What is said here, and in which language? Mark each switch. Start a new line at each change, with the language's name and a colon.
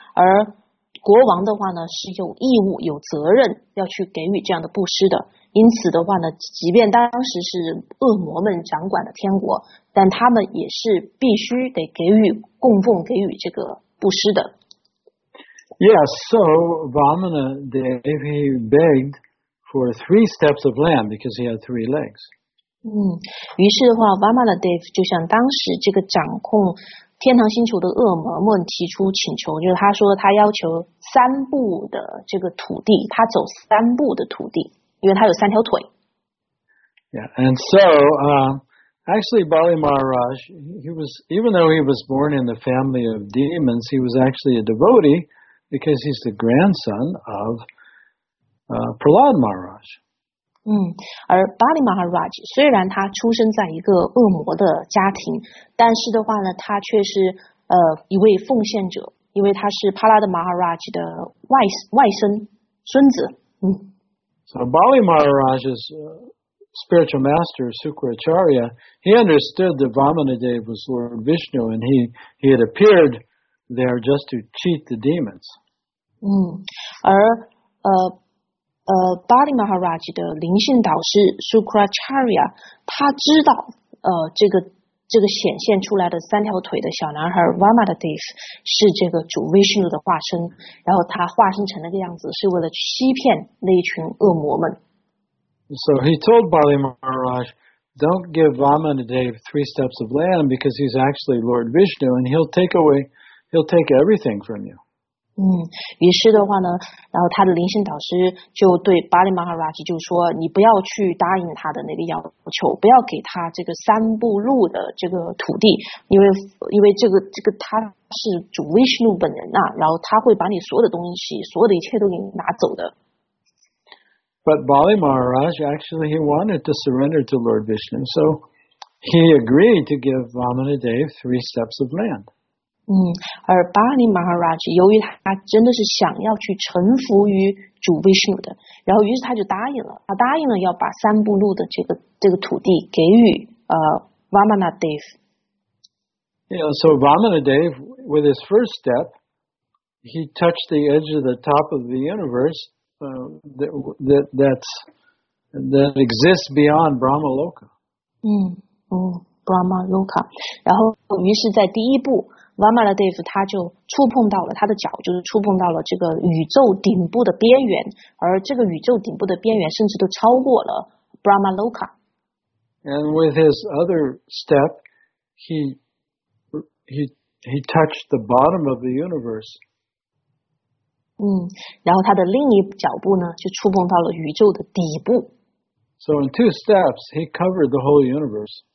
Chinese: 而国王的话呢，是有义务、有责任要去给予这样的布施的。因此的话呢，即便当时是恶魔们掌管的天国，但他们也是必须得给予供奉、给予这个布施的。
English: Yes, so Vamanadeva begged for 3 steps of land because he had 3 legs.
Chinese: 于是的话 ，Vamanadeva 就向当时这个掌控天堂星球的恶魔们提出请求，就是他说他要求3步的这个土地，他走3步的土地，因为他有3条腿。
English: Yeah, and so actually, Bali Maharaj, he was, even though he was born in the family of demons, he was actually a devotee. Because he's the grandson of Prahlad Maharaj.
Chinese: 而 Bali Maharaj 虽然他出生在一个恶魔的家庭，但是的话呢，他却是一位奉献者，因为他是 Prahlad Maharaj 的外甥孙子。
English: So Bali Maharaj's spiritual master Sukracharya, he understood that Vamanadeva was Lord Vishnu, and he had appeared. They are just to cheat the demons.
Chinese: 而Bali Maharaj 的灵性导师 Sukracharya, 他知道这个显现出来的三条腿的小男孩 Vamanadeva 是这个主 Vishnu 的化身，然后他化身成那个样子是为了欺骗那一群恶魔们。
English: So he told Bali Maharaj, "Don't give Vamanadeva 3 steps of land because he's actually Lord Vishnu, and he'll take away." He'll take everything from you.
Chinese: 于是的话呢，然后他的灵性导师就对巴里马哈拉吉就说：“你不要去答应他的那个要求，不要给他这个三步路的这个土地，因为这个他是主维斯努本人呐、啊，然后他会把你所有的东西，所有的一切都给你拿走的。”
English: But Bali Maharaj actually he wanted to surrender to Lord Vishnu, so he agreed to give Vamanadeva 3 steps of land.
Chinese: 而巴里马哈拉吉由于他真的是想要去臣服于主维斯努的，然后于是他就答应了，他答应了要把三步路的这个土地给予Vamanadeva.
English: Yeah, so Vamanadeva, with his first step, he touched the edge of the top of the universe that exists beyond Brahma Loka.
Chinese: Brahma Loka. 然后于是在第一步。 Vamanadeva 他就触碰到了他的脚，就是触碰到了这个宇宙顶部的边缘，而这个宇宙顶部的边缘甚至都超过了 Brahma Loka.
English: And with his other step, he touched the bottom of the universe.
Chinese: 然后他的另一脚步呢，就触碰到了宇宙的底部。
English: So in 2 steps, he covered the whole universe.